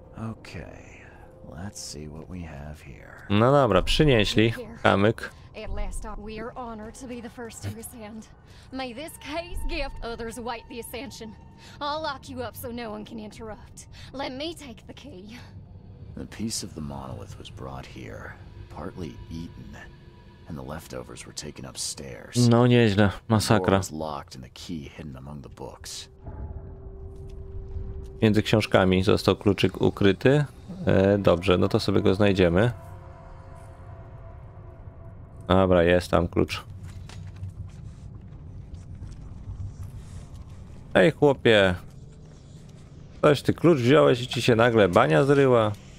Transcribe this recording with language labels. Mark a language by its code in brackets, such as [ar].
[en] Okay, let's see what we have here. [pl] No dobra, przynieśli kamyk. [en] We are honored to be the first to ascend. May this case gift others wait the ascension. I'll lock you up so no one can interrupt. Let me take the key. The piece of the monolith was brought here, partly eaten, and the leftovers were taken upstairs. [pl] No nieźle, masakra. [en] The door was locked and the key hidden among the books. [pl] Między książkami został kluczyk ukryty. Dobrze, no to sobie go znajdziemy. Dobra, jest tam klucz. Ej, chłopie. Coś ty klucz wziąłeś i ci się nagle bania zryła?